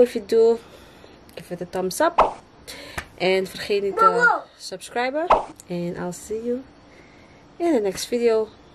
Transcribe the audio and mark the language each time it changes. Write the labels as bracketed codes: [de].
[en] If you do, give it a thumbs up. [nl] En vergeet niet te subscriben. En [en] I'll see you in the next video.